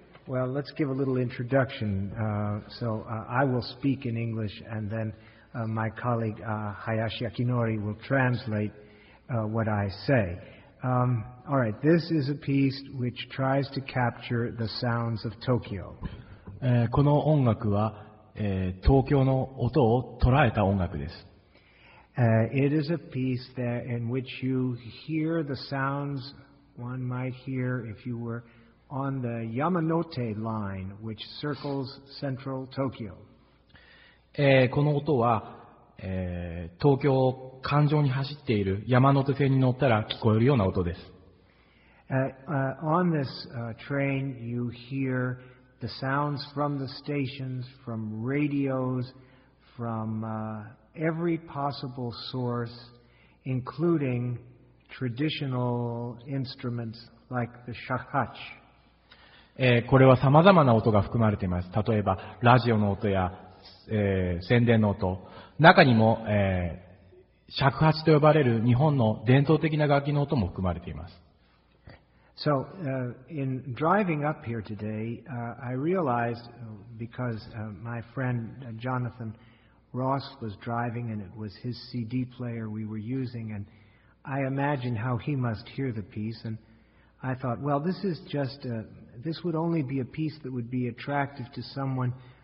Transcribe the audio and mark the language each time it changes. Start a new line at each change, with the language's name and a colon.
English: Well, let's give a little introduction. So I will speak in English and then... my colleague Hayashi Akinori will translate what I say. All right, this is a piece which tries to capture the sounds of Tokyo.
Japanese: この音楽は東京の音を捉えた音楽です。
English: It is a piece that in which you hear the sounds one might hear if you were on the Yamanote line, which circles central Tokyo.
Japanese: この音は、東京を環状に走っている山手線に乗ったら聞こえるような音です。
English: On this train, you hear the sounds from the stations, from radios, from every possible source, including traditional instruments like the shakhach.
Japanese: これは様々な音が含まれています。例えば、ラジオの音や宣伝の音、中にも、尺八と呼ばれる日本の伝統的な楽器の音も含まれています。
English: So, in driving up here today, I realized because my friend Jonathan Ross was driving and it was his CD player we were using, and I imagined how he must hear the piece, and I thought, well, this would only be a piece that would be attractive to someone.